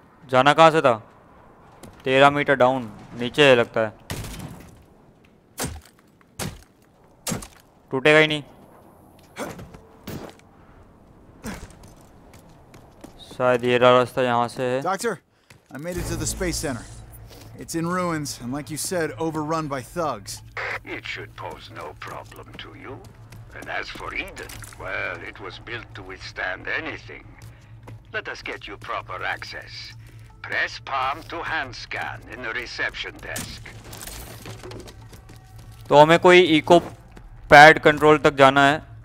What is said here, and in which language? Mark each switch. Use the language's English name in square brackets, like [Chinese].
[Hindi] जाना कहाँ से था? 13 मीटर डाउन नीचे है लगता है। टूटेगा ही नहीं शायद ये रास्ता यहाँ से है। [English] Doctor, I made it to the space center. It's in ruins and like you said, overrun by thugs. It should pose no problem to you. And as for Eden, well, it was built to withstand anything. Let us get you proper access. Press palm to hand scan in the reception desk. [Hindi] तो हमें कोई eco pad control तक जाना है।